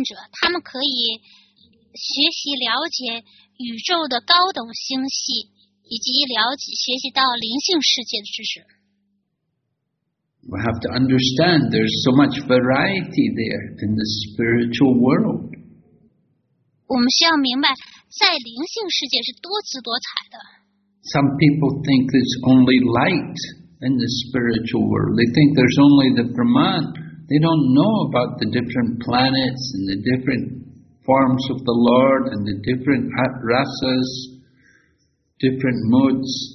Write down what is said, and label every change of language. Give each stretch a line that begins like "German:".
Chinese: 对于新奉献者，他们可以学习了解。宇宙的高等星系，以及了解学习到灵性世界的知识。
English: We have to understand there's so much variety there in the spiritual world.
Chinese: 我们需要明白，在灵性世界是多姿多彩的。
English: Some people think there's only light in the spiritual world. They think there's only the Brahman. They don't know about the different planets and the different forms of the Lord and the different rasas, different moods.